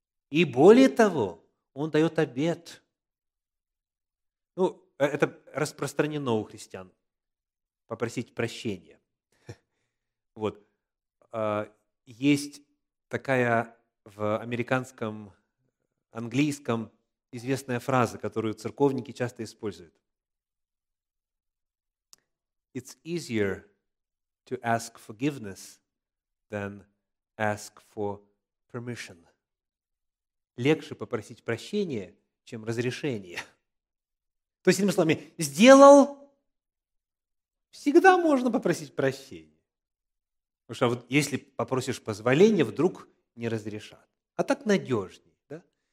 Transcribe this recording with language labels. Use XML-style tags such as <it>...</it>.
<ru>И более того, он дает обет. Ну, это распространено у христиан, попросить прощения. Вот. Есть такая в американском, английском известная фраза, которую церковники часто используют.</ru> <en>It's easier to ask forgiveness than ask for permission.</en> <ru>Легче попросить прощения, чем разрешение. То есть, иными словами, сделал, всегда можно попросить прощения. Потому что вот если попросишь позволения, вдруг не разрешат. А так надежнее. Да?</ru>